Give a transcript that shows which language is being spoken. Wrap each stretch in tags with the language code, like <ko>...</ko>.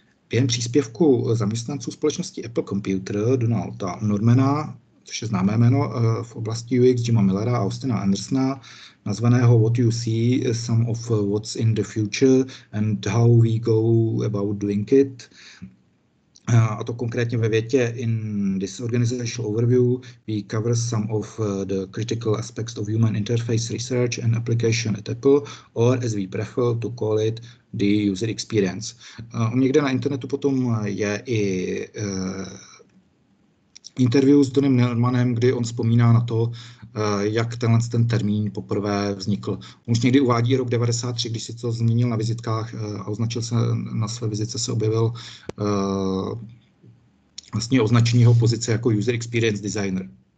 <cs>během příspěvku zaměstnanců společnosti Apple Computer Donalda Normana, což je známé jméno v oblasti UX Jima Millera a Austina Andersona, nazvaného</cs> <en>What You See, Some of What's in the Future and How We Go About Doing It.</en> <cs>A to konkrétně ve větě</cs> <en>In this organizational overview, we cover some of the critical aspects of human interface research and application at Apple, or as we prefer to call it, the user experience.</en> <cs>Někde na internetu potom je i interview s Donem Neumannem, kdy on vzpomíná na to, jak tenhle ten termín poprvé vznikl. On už někdy uvádí rok 1993, když si to změnil na vizitkách a označil se na své vizitce, se objevil vlastně označení jeho pozice jako User Experience Designer.</cs>